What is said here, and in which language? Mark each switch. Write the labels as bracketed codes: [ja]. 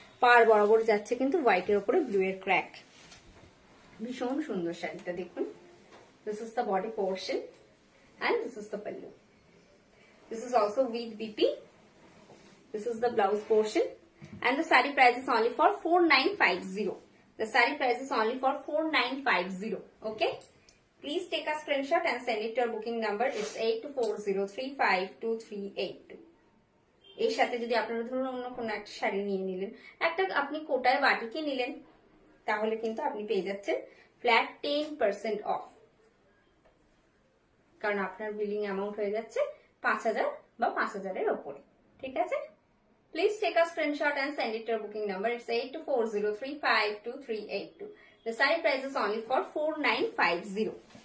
[bn] পাড় বরাবর যাচ্ছে কিন্তু হোয়াইট এর উপরে ব্লু এর ক্র্যাক, ভীষণ সুন্দর শাড়িটা দেখুন। [en] This is the body portion and this is the pallu, this is also with BP, this is the blouse portion and the sari price is only for 4950, the sari price is only for 4950, okay. Please take a screenshot and send it to our booking number. It's 8240352382. [bn] এই সাথে যদি আপনারা ধরুন অন্য কোন একটা শাড়ি নিয়ে নিলেন, একটা আপনি কোটায় বাটিকে নিলেন, তাহলে কিন্তু আপনি পেয়ে যাচ্ছেন ফ্ল্যাট 10% অফ, কারণ আপনার বিলিং অ্যামাউন্ট হয়ে যাচ্ছে 5000 বা 5000-এর উপরে, ঠিক আছে। [en] Please take a screenshot and send it to our booking number. It's 8240352382. The sari price is only for 4950.